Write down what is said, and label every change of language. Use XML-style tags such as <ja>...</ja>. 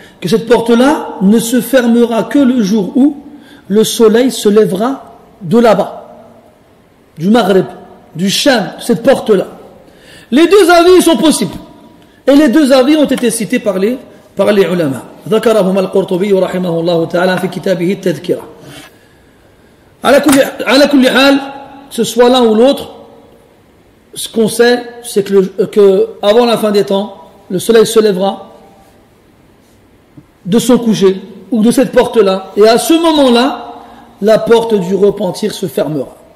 <fr>Que cette porte-là ne se fermera que le jour où le soleil se lèvera de là-bas, du Maghrib, du Sham, cette porte-là. Les deux avis sont possibles. Et les deux avis ont été cités par les ulama.</fr> <ar>ذكرهم القرطبي رحمه الله تعالى في كتابه التذكرة. À la kulli hal,</ar> <fr>ce soit l'un ou l'autre, ce qu'on sait, c'est que avant la fin des temps, le soleil se lèvera de son coucher ou de cette porte-là, et à ce moment-là, la porte du repentir se fermera.</fr>